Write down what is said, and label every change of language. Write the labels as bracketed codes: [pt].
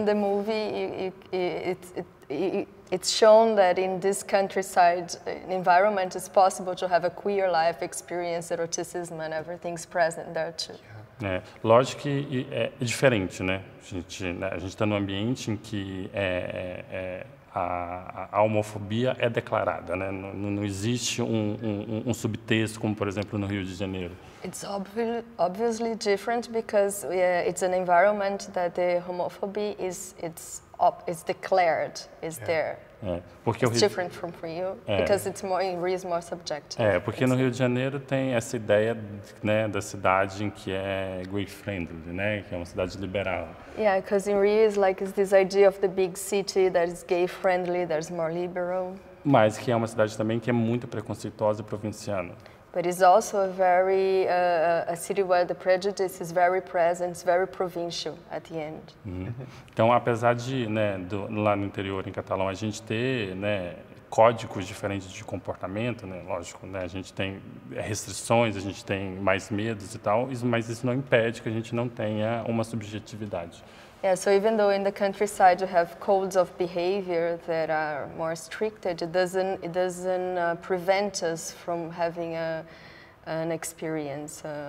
[en] In the movie it's shown that in this countryside environment it's possible to have a queer life experience, eroticism and everything's present there too. Yeah. [pt] Lógico que é diferente, né? A gente está num ambiente em que a homofobia é declarada, né? Não existe um subtexto como, por exemplo, no Rio de Janeiro. [en] It's obviously different because it's an environment that the homophobia is declared, is there. [pt] Porque [en] it's different from Rio, because it's more, in Rio is more subjective. [pt] Porque no Rio de Janeiro tem essa ideia, né, da cidade em que é gay friendly, né, que é uma cidade liberal. [en] Yeah, because in Rio is like it's this idea of the big city that is gay friendly, that is more liberal. [pt] Mas que é uma cidade também que é muito preconceituosa e provinciana. [en] But it's also a very a city where the prejudice is very present, it's very provincial at the end. [pt] Então, apesar de, né, lá no interior em Catalão a gente ter, né, códigos diferentes de comportamento, né? Lógico, né? A gente tem restrições, a gente tem mais medos e tal, mas isso não impede que a gente não tenha uma subjetividade. [en] Yeah, so even though in the countryside you have codes of behavior that are more stricted, it doesn't prevent us from having an experience.